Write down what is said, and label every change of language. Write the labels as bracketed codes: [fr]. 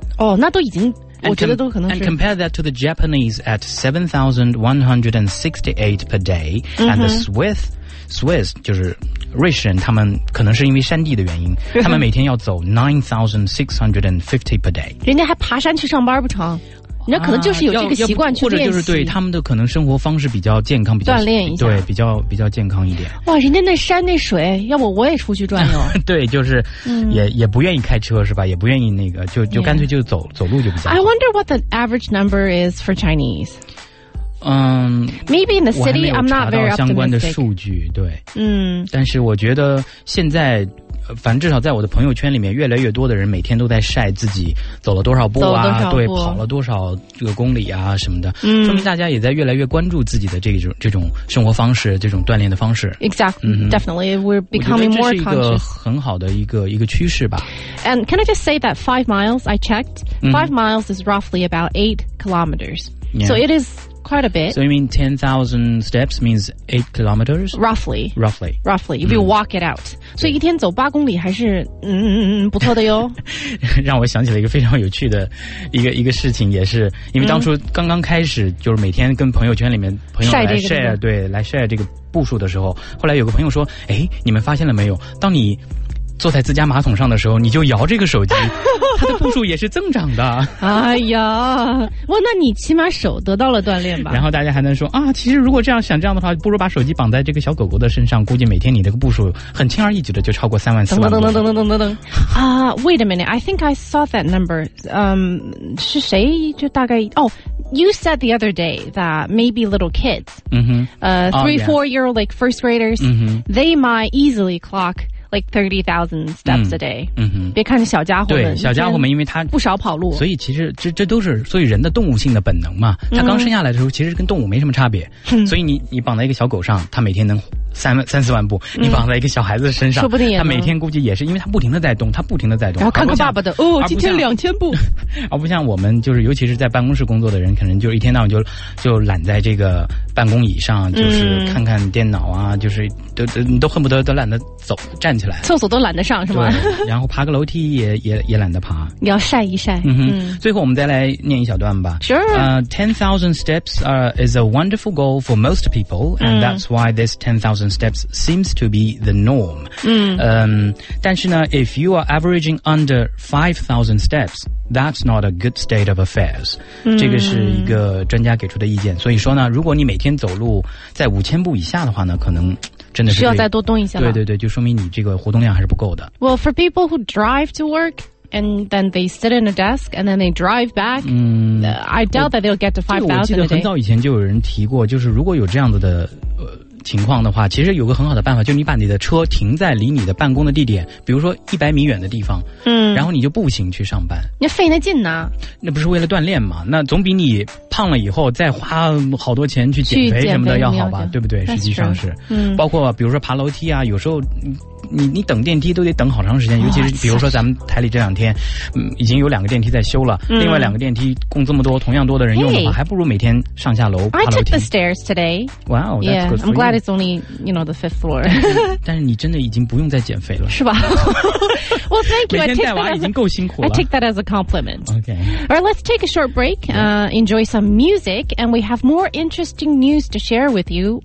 [zh] 哦，那都已经。我觉得都可能是 [en] and compare that to the Japanese at 7,168 per [zh] day and the Swiss 就是瑞士人他们可能是因为山地的原因他们每天要走9,650 [en] per day [zh] 人家还爬山去上班不成人家可能就是有这个习惯去练习或者就是对他们的可能生活方式比较健康比较锻炼一下对比较健康一点哇人家那山那水要不我也出去转悠对就是也不愿意开车是吧也不愿意那个就干脆就走、 [en] yeah. [zh] 走路就比较好 [en] I wonder what the average number is for Chinese Maybe in the city I'm not very optimistic [zh] 相关的数据对但是我觉得现在反正至少在我的朋友圈里面，越来越多的人每天都在晒自己走了多少步啊，对，跑了多少这个公里啊什么的，嗯，说明大家也在越来越关注自己的这种生活方式，这种锻炼的方式。 [en] Exactly, definitely, we're becoming more conscious. [zh] 这是一个很好的一个趋势吧。 [en] And can I just say that 5 miles I checked, 5 miles is roughly about 8 kilometers. Yeah. So it is. Quite a bit. So you mean 10,000 steps means 8 kilometers? Roughly. Roughly. Roughly. If you walk it out. [zh] 所以一天走八公里还是不错的哟。让我想起了一个非常有趣的一个事情，也是因为当初刚刚开始，就是每天跟朋友圈里面朋友来 [en] share, [zh] 对，来 share 这个步数的时候，后来有个朋友说，哎，你们发现了没有，当你坐在自家马桶上的时候，你就摇这个手机，它的步数也是增长的。哎呀，哇，那你起码手得到了锻炼吧？然后大家还能说啊，其实如果这样想这样的话，不如把手机绑在这个小狗狗的身上，估计每天你的步数很轻而易举的就超过3万4万。等等等等等等等啊 [en] ，Wait a minute, I think I saw that number. [zh] 是谁？就大概哦。 [en] You said the other day that maybe little kids, three, four-year-old, like first graders, they might easily clock. Like 30,000 steps a day. [zh] 别看是小家伙们。对，小家伙们，因为他不少跑路。所以其实这都是，所以人的动物性的本能嘛。他刚生下来的时候其实跟动物没什么差别。所以你绑在一个小狗上，他每天能三四万步。你绑在一个小孩子身上，说不定他每天估计也是，因为他不停的在动，他不停的在动。然后看看爸爸的，哦，今天2000步。而不像我们，就是尤其是在办公室工作的人，可能就一天到晚就懒在这个办公椅上，就是看看电脑啊，就是都恨不得都懒得走站起来，厕所都懒得上是吗？然后爬个楼梯也懒得爬，你要晒一晒。最后我们再来念一小段吧。 [en] Sure. 10,000 steps is a wonderful goal for most people, and that's why this 10,000 steps seems to be the norm. [zh] 但是呢 [en] ，if you are averaging under 5,000 steps. That's not a good state of affairs. [zh] 这个是一个专家给出的意见。所以说呢，如果你每天走路在5000步以下的话呢，可能真的是需要再多动一下。对对对，就说明你这个活动量还是不够的。 [en] Well, for people who drive to work and then they sit in a desk and then they drive back, I doubt that they'll get to 5,000. [zh] 我记得很早以前就有人提过，就是如果有这样子的。情况的话，其实有个很好的办法，就是你把你的车停在离你的办公的地点，比如说100米远的地方，然后你就步行去上班。那费那劲呢？那不是为了锻炼吗？那总比你胖了以后再花好多钱去减肥什么的要好吧？对不对？实际上是，包括比如说爬楼梯啊，有时候你等电梯都得等好长时间，尤其是比如说咱们台里这两天，已经有两个电梯在修了，另外两个电梯供这么多同样多的人用的话， [en] hey, [zh] 还不如每天上下楼爬楼梯。 [en] I took the stairs today. Wow, that's good. Yeah, I'm glad it's only you know the fifth floor. [zh] 但是你真的已经不用再减肥了，是吧？ [en] Well, thank you. [zh] 每天带娃已经够辛苦了。 [en] I take that as a compliment. Okay. All right, let's take a short break. Enjoy some music, and we have more interesting news to share with you.